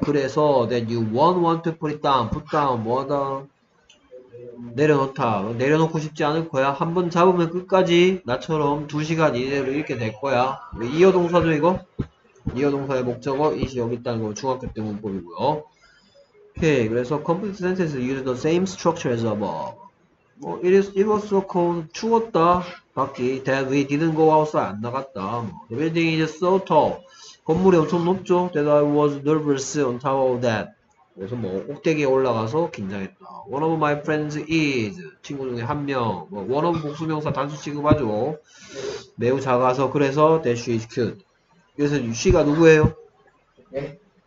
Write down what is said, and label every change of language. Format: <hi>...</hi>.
<en>그래서 that you won't want to put it down.</en> <ko>Put down. 뭐하다? 내려놓다. 내려놓고 싶지 않을 거야. 한번 잡으면 끝까지 나처럼 2시간 이내로 읽게 될 거야. 이어 동사죠, 이거? 이어 동사의 목적어, 이시 여기 있다는 건 중학교 때 문법이고요.</ko> <en>오케이, 그래서 complete sentences use the same structure as above. 뭐, it was so cold,</en> <ko>추웠다, 밖이.</ko> <en>That we didn't go outside,</en> <ko>안 나갔다. 뭐.</ko> <en>The building is so tall.</en> <ko>건물이 엄청 높죠?</ko> <en>That I was nervous on top of that.</en> <ko>그래서 뭐, 꼭대기에 올라가서 긴장했다.</ko> <en>One of my friends is,</en> <ko>친구 중에 한 명. 뭐, one of 복수명사 단수 취급하죠. 매우 작아서, 그래서</ko> <en>that she is cute.</en> <ko>그래서 she가 누구예요? 네?</ko>